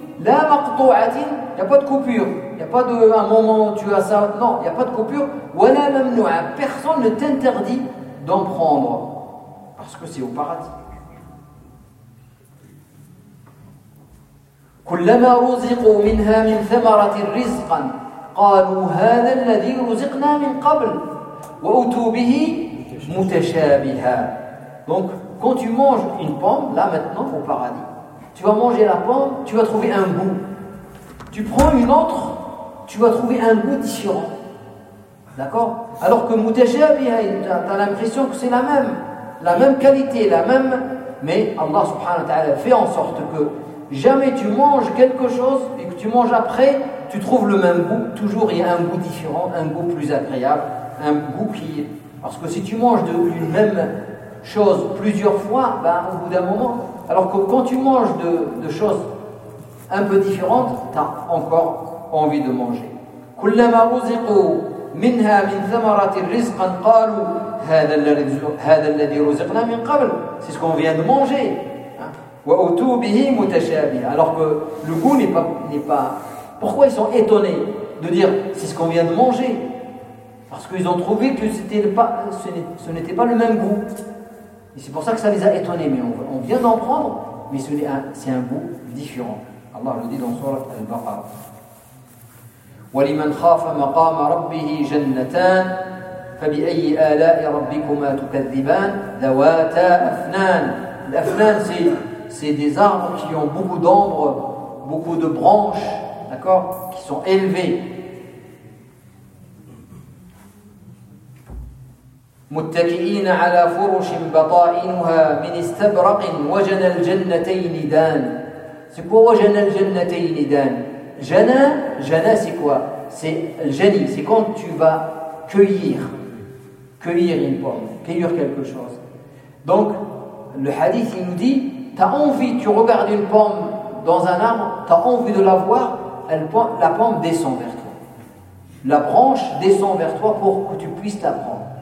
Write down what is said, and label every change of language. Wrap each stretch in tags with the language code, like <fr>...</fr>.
<fr>لا مقطوعة يا با دو كوبور يا با دو ان مومون تو اسا نو يا با دو كوبور ولا ممنوع بيرسون ne t'interdit d'en prendre parce que c'est au paradis.</fr> <ar>كلما رزقوا منها من ثمرة رزقا قالوا هذا الذي رزقنا من قبل وأتوا به متشابها.</ar> <fr>Donc quand tu manges une pomme là maintenant au paradis, tu vas manger la pomme, tu vas trouver un goût. Tu prends une autre, tu vas trouver un goût différent. D'accord? Alors que mutashabiha, t'as l'impression que c'est la même qualité, la même. Mais Allah subhanahu wa ta'ala fait en sorte que jamais tu manges quelque chose et que tu manges après, tu trouves le même goût. Toujours il y a un goût différent, un goût plus agréable, un goût qui. Parce que si tu manges d'une même chose plusieurs fois, ben, au bout d'un moment. Alors que quand tu manges de choses un peu différentes, tu as encore envie de manger.</fr> <ar>كلما رزقوا منها من ثمرة رزقا قالوا هذا الذي رزقنا من قبل.</ar> <fr>C'est ce qu'on vient de manger.</fr> <ar>وأتوا به متشابها.</ar> <fr>Alors que le goût n'est pas. Pourquoi ils sont étonnés de dire c'est ce qu'on vient de manger? Parce qu'ils ont trouvé que ce n'était pas le même goût. Et c'est pour ça que ça les a étonnés. Mais on vient d'en prendre, mais c'est un goût différent. Allah le dit dans sourate Al-Baqarah.</fr> <ar>وَلِمَنْ خَافَ مَقَامَ رَبِّهِ جَنَّتَانَ فَبِأَيِّ آلَاءِ رَبِّكُمَا تُكَذِّبَانَ ذَوَاتَا أَفْنَانَ.</ar> <fr>L'afnan, c'est des arbres qui ont beaucoup d'ombre, beaucoup de branches, d'accord, qui sont élevées.</fr> <ar>متكئين على فرش بطائنها من استبرق وجن الجنتين دان.</ar> <fr>C'est quoi</fr> <ar>وجن الجنتين دان؟</ar> <fr>جنا جنا c'est quoi؟ C'est الجني. C'est quand tu vas cueillir une pomme, cueillir quelque chose. Donc le hadith il nous dit, tu regardes une pomme dans un arbre, t'as envie de la voir, la pomme descend vers toi, la branche descend vers toi pour que tu puisses la prendre.</fr>